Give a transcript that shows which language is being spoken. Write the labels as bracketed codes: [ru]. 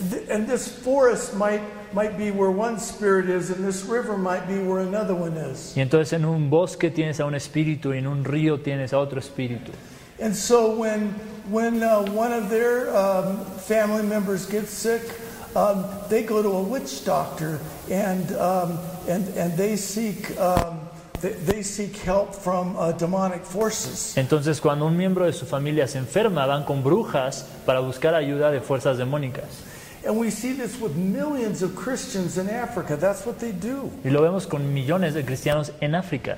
[en] And this forest might be where one spirit is, and this river might be where another one is. [es] Y entonces en un bosque tienes a un espíritu y en un río tienes a otro espíritu. [en] And so when one of their family members gets sick, they go to a witch doctor and they seek they seek help from demonic forces. [es] Entonces, cuando un miembro de su familia se enferma, van con brujas para buscar ayuda de fuerzas demoníacas. [en] And we see this with millions of Christians in Africa. That's what they do. [es] Y lo vemos con millones de cristianos en África.